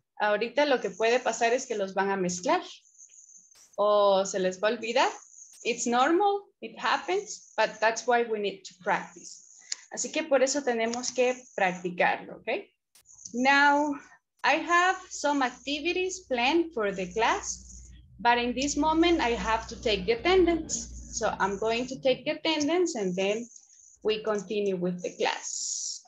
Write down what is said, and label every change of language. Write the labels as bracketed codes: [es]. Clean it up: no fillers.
[es] Ahorita lo que puede pasar es que los van a mezclar. O se les va a olvidar. [en] It's normal, it happens, but that's why we need to practice. [es] Así que por eso tenemos que practicarlo, ¿ok? [en] Now, I have some activities planned for the class, but in this moment I have to take the attendance. So I'm going to take the attendance and then we continue with the class.